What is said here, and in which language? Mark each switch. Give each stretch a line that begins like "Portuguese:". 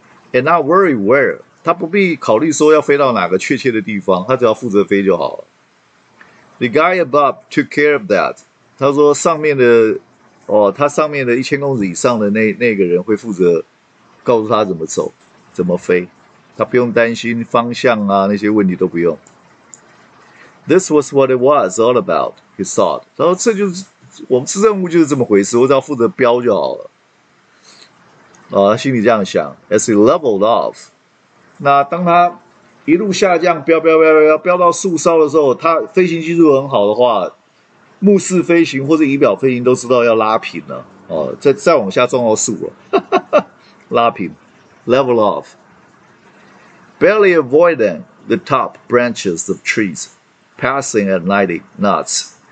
English: And not worry where，
Chinese: 他不必考虑说要飞到哪个确切的地方，他只要负责飞就好了。
English: The guy above took care of that。
Chinese: 他说上面的，哦，他上面的1000公尺以上的那个人会负责告诉他怎么走，怎么飞，他不用担心方向啊，那些问题都不用。
English: This was what it was all about，he thought。
Chinese: 他说这就是我们这任务就是这么回事，我只要负责标就好了。啊，他心里这样想。
English: As he leveled off，
Chinese: 那当他一路下降，飙到速梢的时候，他飞行技术很好的话，目视飞行或者仪表飞行都知道要拉平了，哦，再往下撞到树了，拉平，level off，
English: barely avoiding the top branches of trees passing at 90 knots。